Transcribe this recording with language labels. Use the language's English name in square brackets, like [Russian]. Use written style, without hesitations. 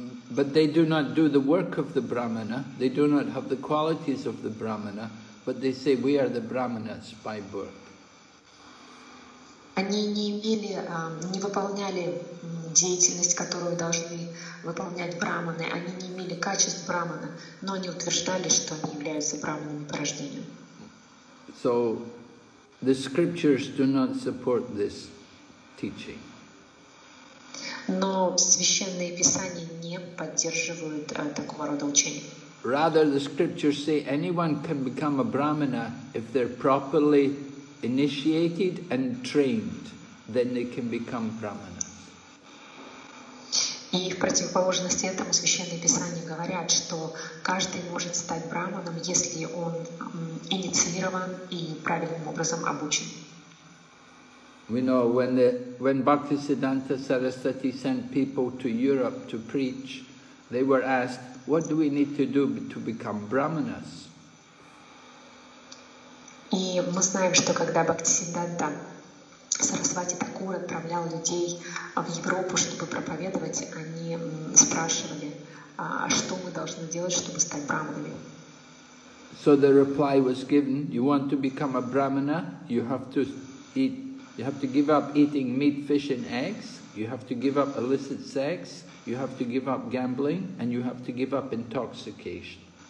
[English] But they do not do the work of the brahmana, they do not have the qualities of the brahmana, but they say we are the brahmanas by birth. [Russian] Они не выполняли деятельность, которую должны выполнять брахманы, они не имели качеств брахмана, но они утверждали, что они являются брахманами по рождению. [English] So, the scriptures do not support this teaching. [Russian] Но священные писания не поддерживают такого рода учения. [English] Rather, the scriptures say anyone can become a brahmana if they're properly initiated and trained, then they can become brahmana. [Russian] И в противоположности этому священные писания говорят, что каждый может стать брахманом, если он инициирован и правильным образом обучен. [English] We know when Bhaktisiddhanta Sarasvati sent people to Europe to preach, they were asked, what do we need to do to become brahmanas? [Russian] И мы знаем, что когда Бхактисиддханта Сарасвати Такур отправлял людей в Европу, чтобы проповедовать, они спрашивали, что мы должны делать, чтобы стать брахманами. [English] So the reply was given, you want to become a brahmana, you have to eat, you have to give up eating meat, fish and eggs, you have to give up illicit sex, you have to give up gambling, and you have to give up intoxication.